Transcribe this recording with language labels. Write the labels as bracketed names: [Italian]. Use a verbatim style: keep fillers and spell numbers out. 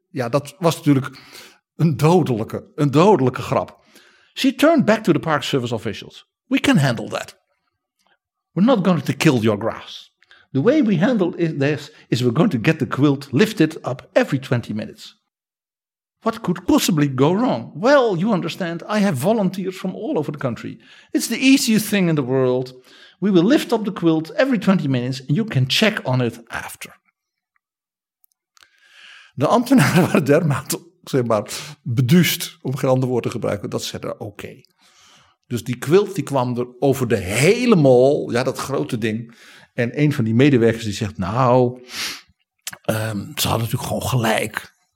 [Dutch] Ja, dat was natuurlijk een dodelijke, een dodelijke grap. [English] She turned back to the Park Service officials. We can handle that. We're not going to kill your grass. The way we handle this is we're going to get the quilt lifted up every twenty minutes. What could possibly go wrong? Well, you understand, I have volunteers from all over the country. It's the easiest thing in the world. We will lift up the quilt every twenty minutes and you can check on it after. [Dutch] De ambtenaren waren dermate, zeg maar, beduust, om geen ander woord te gebruiken, dat ze er oké. Okay. Dus die quilt die kwam er over de hele mol, ja dat grote ding. En een van die medewerkers die zegt, nou, um, ze hadden natuurlijk gewoon gelijk.